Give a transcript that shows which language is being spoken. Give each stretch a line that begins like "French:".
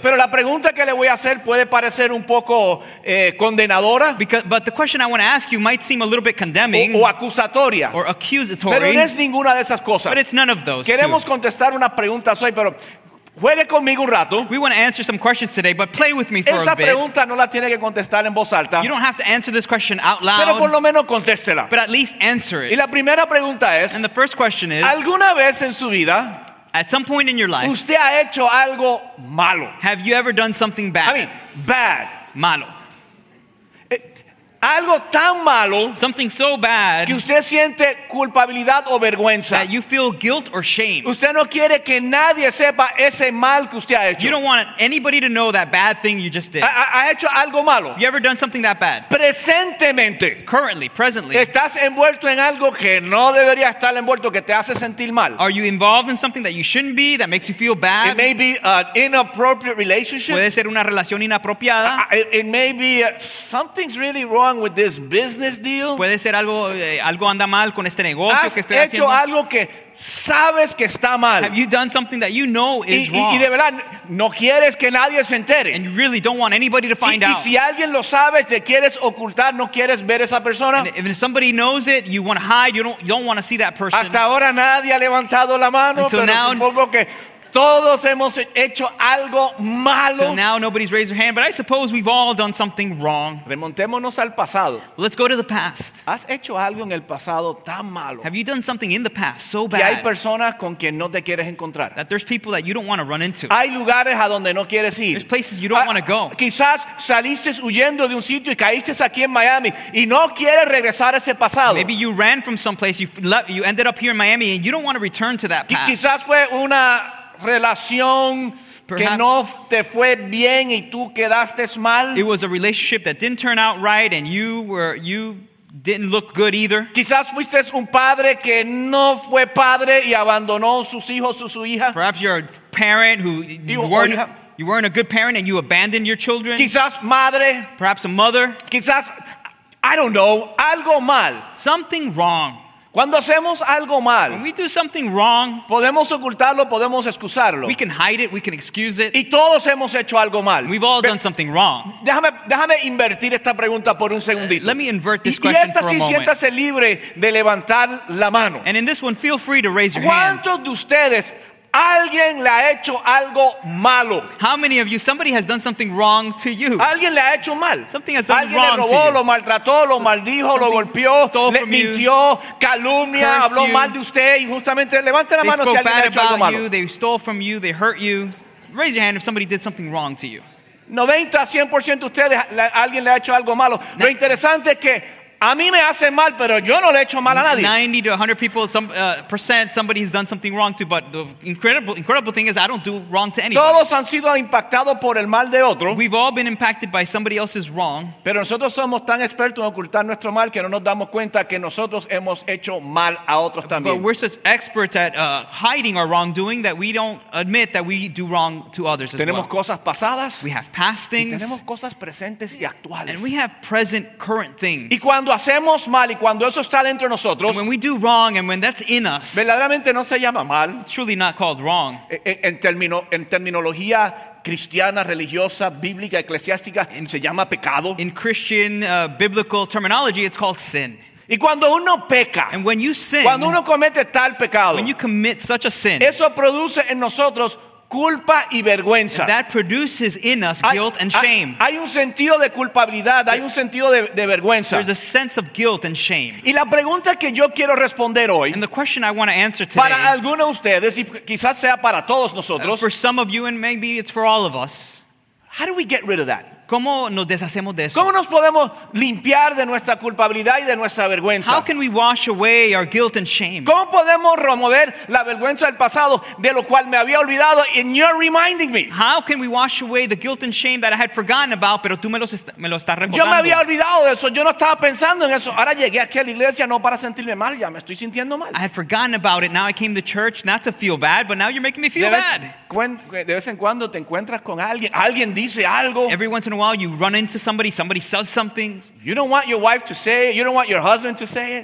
Spanish: Pero la pregunta que le voy a hacer puede parecer un poco condenadora.
English: But the question I want to ask you might seem a little bit condemning.
Spanish: O acusatoria.
English: Or accusatory.
Spanish: Pero no es ninguna de esas cosas.
English: But it's none of those.
Spanish: Queremos contestar unas preguntas hoy, pero juegue conmigo un rato.
English: We want to answer some questions today, but play with me for
Spanish: esa
English: a bit.
Spanish: Pregunta no la tiene que contestar en voz alta.
English: You don't have to answer this question out loud.
Spanish: Pero por lo menos contéstela.
English: But at least answer it.
Spanish: Y la primera pregunta es,
English: and the first question is,
Spanish: ¿alguna vez en su vida,
English: at some point in your life,
Spanish: usted ha hecho algo malo?
English: Have you ever done something bad? I mean, bad.
Spanish: Malo. Algo tan malo,
English: something so bad,
Spanish: que usted siente culpabilidad o vergüenza,
English: that you feel guilt or shame.
Spanish: Usted no quiere que nadie sepa ese mal que usted ha hecho.
English: You don't want anybody to know that bad thing you just did.
Spanish: ¿Ha hecho algo malo?
English: You ever done something that bad?
Spanish: Presentemente.
English: Currently, presently.
Spanish: ¿Estás envuelto en algo que no debería estar envuelto, que te hace sentir mal?
English: Are you involved in something that you shouldn't be, that makes you feel bad? It may be an inappropriate relationship.
Spanish: Puede ser una relación inapropiada.
English: It may be something's really wrong with this business deal.
Spanish: Puede ser algo anda mal con este negocio que estoy haciendo. Has hecho algo que sabes que está mal.
English: Have you done something that you know is wrong?
Spanish: Y de verdad no quieres que nadie se entere.
English: And you really don't want anybody to find out.
Spanish: Y si alguien lo sabe, te quieres ocultar, no quieres ver esa persona.
English: And if somebody knows it, you want to hide, you don't want to see that person.
Spanish: Hasta ahora nadie ha levantado la mano, pero supongo que todos hemos hecho algo malo.
English: Till now, nobody's raised their hand, but I suppose we've all done something wrong.
Spanish: Remontémonos al pasado.
English: Let's go to the past.
Spanish: ¿Has hecho algo en el pasado tan malo?
English: Have you done something in the past so bad?
Spanish: Que hay personas con quien no te quieres encontrar.
English: That there's people that you don't want to run into.
Spanish: Hay lugares a donde no quieres ir.
English: There's places you don't want to go.
Spanish: Quizás saliste huyendo de un sitio y caíste aquí en Miami y no quieres regresar a ese pasado.
English: Maybe you ran from someplace, you ended up here in Miami, and you don't want to return to that past.
Spanish: Quizás fue una relación que no te fue bien y tú quedaste mal.
English: It was a relationship that didn't turn out right and you didn't look good either.
Spanish: Quizás fuiste un padre que no fue padre y abandonó sus hijos o su hija.
English: Perhaps you're a parent who you weren't a good parent and you abandoned your children.
Spanish: Quizás madre.
English: Perhaps a mother.
Spanish: Quizás,
English: I don't know,
Spanish: algo mal.
English: Something wrong.
Spanish: Cuando hacemos algo mal,
English: when we do something wrong,
Spanish: podemos ocultarlo, podemos excusarlo.
English: We can hide it, we can excuse it.
Spanish: Y todos hemos hecho algo mal.
English: We've all done something wrong.
Spanish: Déjame invertir esta pregunta por un segundito.
English: Let me invert this question for a moment.
Spanish: Y esta sí, siéntase libre de levantar la mano.
English: And in this one, feel free to raise your hand.
Spanish: ¿Cuántos de ustedes, alguien le ha hecho algo malo?
English: How many of you, somebody has done something wrong to you?
Spanish: Alguien le ha hecho mal.
English: Something has done wrong
Spanish: robó,
English: to you.
Spanish: Alguien le robó, lo maltrató, lo maldijo, lo golpeó, le mintió, calumnia, habló mal de usted injustamente. Levante la mano si alguien le ha hecho algo malo.
English: They stole from you, they hurt you. Raise your hand if somebody did something wrong to you.
Spanish: 90-100% de ustedes, alguien le ha hecho algo malo. Lo interesante es que a mí me hace mal, pero yo no le echo mal a nadie.
English: 90-100 people, percent, somebody has done something wrong to. But the incredible thing is, I don't do wrong to anybody.
Spanish: Todos han sido impactados por el mal de otro.
English: We've all been impacted by somebody else's wrong.
Spanish: Pero nosotros somos tan expertos en ocultar nuestro mal que no nos damos cuenta que nosotros hemos hecho mal a otros también.
English: But we're such experts at hiding our wrongdoing that we don't admit that we do wrong to others.
Spanish: Tenemos
English: as well.
Spanish: Cosas pasadas.
English: We have past things.
Spanish: Y tenemos cosas presentes y actuales.
English: And we have present, current things.
Spanish: Y cuando hacemos mal y cuando eso está dentro de nosotros,
English: and when we do wrong and when that's in us,
Spanish: verdaderamente no se llama mal.
English: It's truly not called wrong.
Spanish: En terminología cristiana, religiosa, bíblica, eclesiástica, se llama pecado.
English: In Christian biblical terminology, it's called sin.
Spanish: Y cuando uno peca,
English: and when you sin,
Spanish: cuando uno comete tal pecado,
English: when you commit such a sin,
Spanish: eso produce en nosotros culpa y vergüenza.
English: That produces in us guilt and shame.
Spanish: Hay un sentido de culpabilidad, hay un sentido de vergüenza.
English: There's a sense of guilt and shame.
Spanish: Y la pregunta que yo quiero responder hoy,
English: and the question I want to answer today,
Spanish: para alguno de ustedes, y quizás sea para todos nosotros,
English: for some of you and maybe it's for all of us, how do we get rid of that?
Spanish: ¿Cómo nos deshacemos de eso? ¿Cómo nos podemos limpiar de nuestra culpabilidad y de nuestra vergüenza?
English: How can we wash away our guilt and shame?
Spanish: ¿Cómo podemos remover la vergüenza del pasado de lo cual me había olvidado
English: and you're reminding me? How can we wash away the guilt and shame that I had forgotten about,
Spanish: pero tú me lo estás recordando? Yo me había olvidado de eso, yo no estaba pensando en eso. Ahora llegué aquí a la iglesia no para sentirme mal, ya me estoy sintiendo mal.
English: I had forgotten about it. Now I came to church not to feel bad, but now you're making me feel bad.
Spanish: De vez en cuando te encuentras con alguien, alguien dice algo.
English: Every once in a while you run into somebody, somebody says something. You don't want your wife to say it. You don't want your husband to say it.